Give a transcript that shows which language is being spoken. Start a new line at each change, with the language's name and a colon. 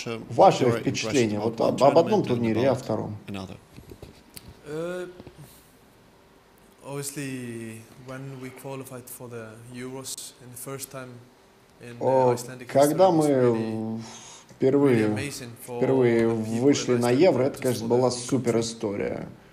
Russian: Ваши впечатления вот об одном турнире и о втором?
English: Obviously, when we qualified for the Euros in the first time in Icelandic history.
Russian: Впервые вышли на Евро, это, конечно, была супер история.